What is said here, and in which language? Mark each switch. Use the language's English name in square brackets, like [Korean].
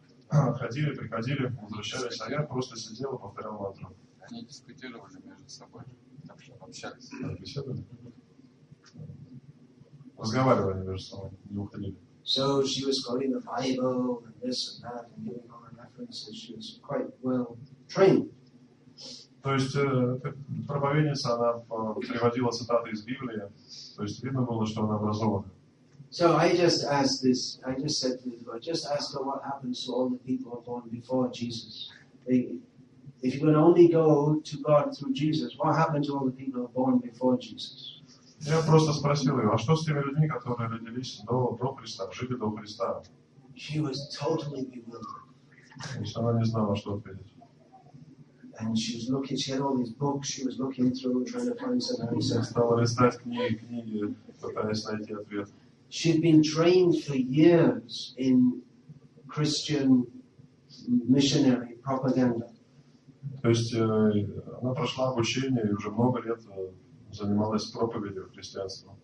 [Russian] Ходили, приходили, возвращались, а я просто сидел и повторял мантру. Они дискутировали между собой, общались. Беседовали. Разговаривали между собой, не уходили. [English] So she was quoting the Bible and this and that and giving all the references. She was quite well trained. [Russian] То есть проповедница, она приводила цитаты из Библии. То есть видно было, что она образована. [English] So I just asked this, I just said to the Lord, just ask her what happens to all the people born before Jesus. If you can only go to God through Jesus, what happened to all the people born before Jesus? [Russian] Я просто спросил ее, а что с теми людьми, которые родились до Христа, жили до Христа? [English] She was totally bewildered. [Russian] Она не знала, что ответить. [English] And she was looking, she had all these books she was looking through, trying to find some answer. [Russian] Стала листать книги, пытаясь найти ответ. [English] She'd been trained for years in Christian missionary propaganda. [Russian] То есть она прошла обучение и уже много лет занималась проповедью христианства.